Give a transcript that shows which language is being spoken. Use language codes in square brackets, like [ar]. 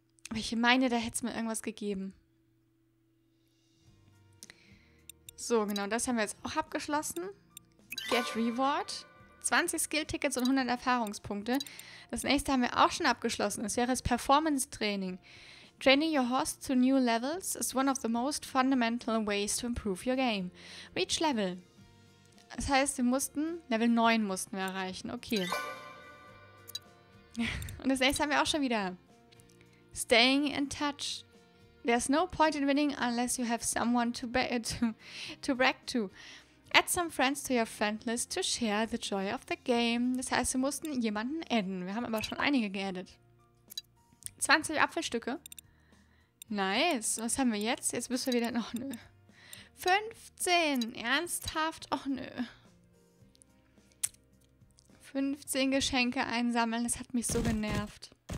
[de] Aber ich meine, da hätte es mir irgendwas gegeben. So, genau. Das haben wir jetzt auch abgeschlossen. Get Reward. 20 Skill-Tickets und 100 Erfahrungspunkte. Das nächste haben wir auch schon abgeschlossen. Das wäre das Performance-Training. [en] Training your horse to new levels is one of the most fundamental ways to improve your game. Reach level. [de] Das heißt, wir mussten Level 9 mussten wir erreichen. Okay. Und das nächste haben wir auch schon wieder. [en] Staying in touch. There's no point in winning unless you have someone to brag to. Add some friends to your friend list to share the joy of the game. [de] Das heißt, wir mussten jemanden adden. Wir haben aber schon einige geaddet. 20 Apfelstücke. Nice. Was haben wir jetzt? Jetzt müssen wir wieder... Oh, nö. 15. Ernsthaft? Oh, nö. 15 Geschenke einsammeln. Das hat mich so genervt.